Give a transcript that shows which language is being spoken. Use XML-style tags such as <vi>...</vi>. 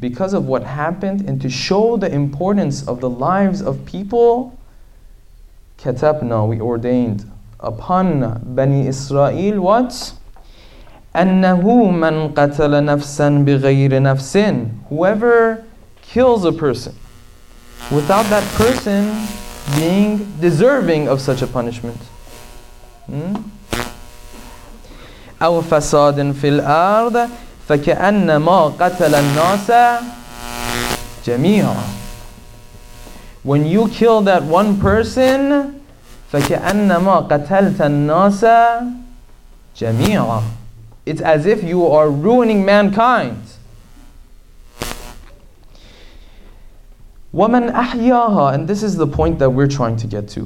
<en>Because of what happened and to show the importance of the lives of people,</en> <ar>كَتَبْنَا,</ar> <en>we ordained upon بَنِي إِسْرَائِيلٍ what?</en> <ar>أَنَّهُ مَنْ قَتَلَ نَفْسًا بِغَيْرِ نَفْسٍ.</ar> <en>Whoever kills a person without that person being deserving of such a punishment.</en> <ar>أو فساد في الأرض فكأنما قتل الناس جميعا.</ar> <en>When you kill that one person,</en> <ar>فكأنما قتلت الناس جميعا.</ar> <en>It's as if you are ruining mankind.</en> <ar>ومن أحياها,</ar> <en>and this is the point that we're trying to get to.</en>